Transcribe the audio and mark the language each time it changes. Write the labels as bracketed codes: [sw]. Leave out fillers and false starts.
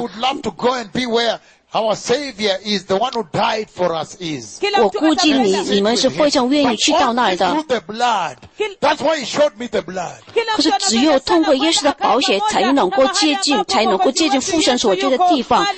[en] You would love to go and be where our Savior is, the one who died for us is. [zh] 我估计你们是非常愿意去到那儿的。 [en] But through the blood, that's why he showed me the blood. [zh] 可是只有通过耶稣的宝血才能够接近父神所居的地方。